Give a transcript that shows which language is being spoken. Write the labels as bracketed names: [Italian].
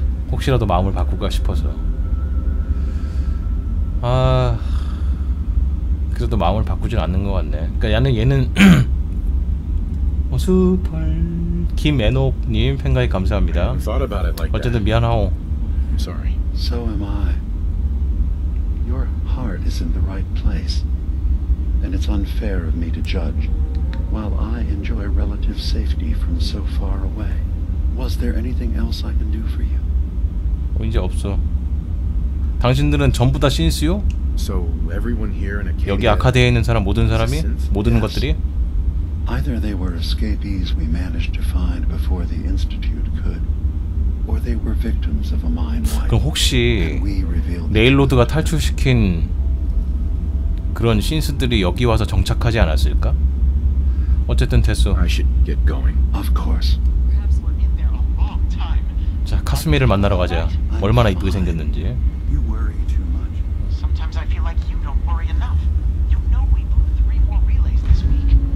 [Korean] 혹시라도 마음을 바꿀까 싶어서. 아, 그래도 마음을 바꾸진 않는 것 같네. 그러니까 얘는 슈퍼 김애녹님 팬가입 감사합니다. 어쨌든 미안하오. [English] Sorry. So am I. Your heart is in the right place, and it's unfair of me to judge. While I enjoy relative safety from so far away, was there anything else I can do for you? [Korean] 이제 없어. 당신들은 전부 다 신스요? [English] So everyone here in a [Korean] 여기 아카데에 있는 사람 모든 사람이 모든 [English] yes. [Korean] 것들이? [English] Either they were escapees we managed to find before the institute could, or they were victims of a mind wipe. [Korean] 그럼 혹시 레일로드가 탈출시킨 그런 신스들이 여기 와서 정착하지 않았을까? 어쨌든 됐어. [English] I should get going. Of course. Perhaps we're in there a long time. [Korean] 자, 카스미를 만나러 가자. 얼마나 이쁘게 생겼는지. [English] You worry too much. Sometimes I feel like you don't worry enough. You know we blew three more relays this week.